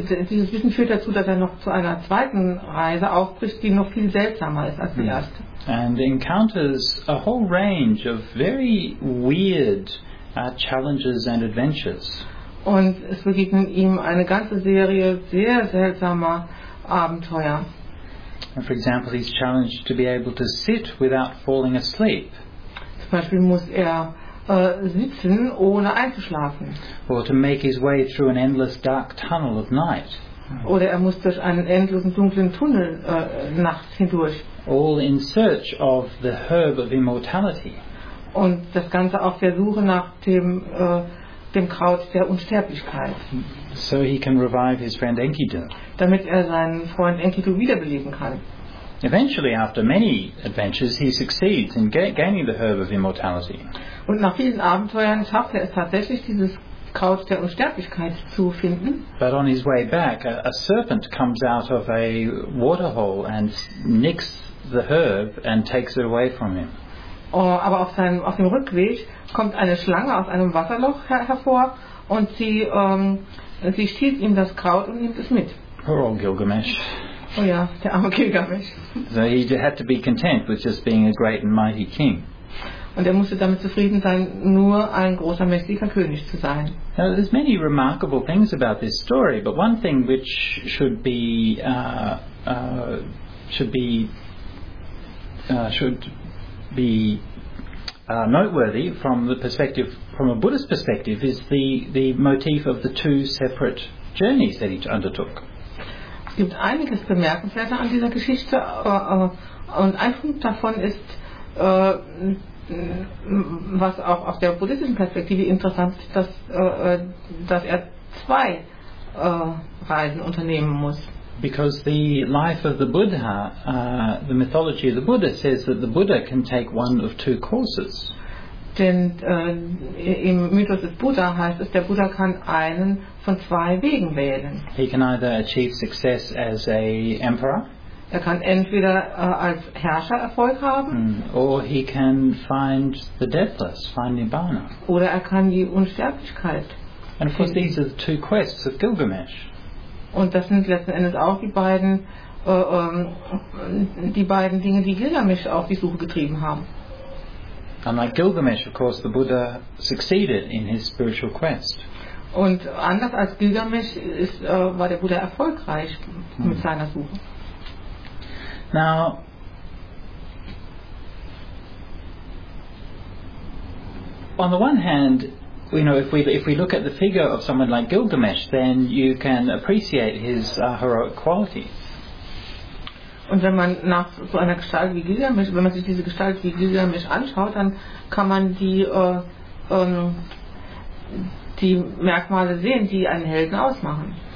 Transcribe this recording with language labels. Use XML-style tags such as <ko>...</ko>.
<de>Dieses Wissen führt dazu, dass er noch zu einer zweiten Reise aufbricht, die noch viel seltsamer ist als die erste.</de> <en>And encounters a whole range of very weird challenges and adventures.</en> <de>Und es begegnen ihm eine ganze Serie sehr seltsamer Abenteuer.</de> <en>And for example, he's challenged to be able to sit without falling asleep.</en> <de>Zum Beispiel muss er sitzen, ohne einzuschlafen.</de> <en>Or to make his way through an endless dark tunnel of night.</en> <de>Oder er muss durch einen endlosen dunklen Tunnel nachts hindurch.</de> <en>All in search of the herb of immortality.</en> <de>Und das Ganze auf der Suche nach dem Kraut der Unsterblichkeit.</de> <en>So he can revive his friend Enkidu.</en> <de>Damit er seinen Freund Enkidu wiederbeleben kann.</de> <en>Eventually, after many adventures, he succeeds in gaining the herb of immortality.</en> <de>Und nach vielen Abenteuern schafft er es tatsächlich, dieses Kraut der Unsterblichkeit zu finden.</de> <en>But on his way back, a serpent comes out of a waterhole and nicks the herb and takes it away from him.</en> <de>Aber auf dem Rückweg kommt eine Schlange aus einem Wasserloch hervor und sie stiehlt ihm das Kraut und nimmt es mit.</de> <en>Poor old Gilgamesh.</en> <de>Oh ja, der arme Gilgamesh.</de> <en>So he had to be content with just being a great and mighty king.</en> <de>Und er musste damit zufrieden sein, nur ein großer, mächtiger König zu sein.</de> <en>Now there's many remarkable things about this story, but one thing which should be noteworthy from the perspective, from a Buddhist perspective, is the motif of the two separate journeys that he undertook.</en> <de>Es gibt einiges Bemerkenswerte an dieser Geschichte, und ein Punkt davon ist, was auch aus der buddhistischen Perspektive interessant ist, dass er zwei Reisen unternehmen muss.</de> <en>Because the life of the Buddha, the mythology of the Buddha says that the Buddha can take one of two courses.</en> <de>Denn im Mythos des Buddha heißt es, der Buddha kann einen von zwei Wegen wählen.</de> <en>He can either achieve success as a emperor.</en> <de>Er kann entweder als Herrscher Erfolg haben.</de> <en>Or he can find the deathless, find Nibbana.</en> <de>Oder er kann die Unsterblichkeit.</de> <en>And of course, these are the two quests of Gilgamesh.</en> <de>Und das sind letzten Endes auch die beiden Dinge, die Gilgamesh auf die Suche getrieben haben.</de> <en>And like Gilgamesh, of course, the Buddha succeeded in his spiritual quest.</en> <de>Und anders als Gilgamesh war der Buddha erfolgreich mit seiner Suche.</de> <en>Now, on the one hand, you know, if we look at the figure of someone like Gilgamesh, then you can appreciate his heroic qualities.</en> <de>Und wenn man nach so einer Gestalt wie Gilgamesh, wenn man sich diese Gestalt wie Gilgamesh anschaut, dann kann man die Merkmale sehen, die einen Helden ausmachen.</de>